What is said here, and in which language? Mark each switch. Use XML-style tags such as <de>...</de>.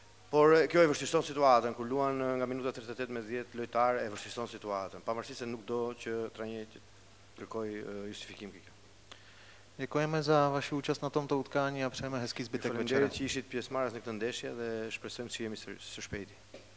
<sq>Por kjo e vështirëson situatën, kur luan nga minuta 38-10 lojtar e vështirëson situatën, pavarësisht se nuk do që trajneri kërkoj justifikim kjo.</sq> <cs>Děkujeme za vaši účast na tomto utkání a přejeme hezký zbytek večera.</cs> <sq>Faleminderit që ishit pjesëmarrës në këtë ndeshje dhe shpresojmë që jemi së shpejti.</sq>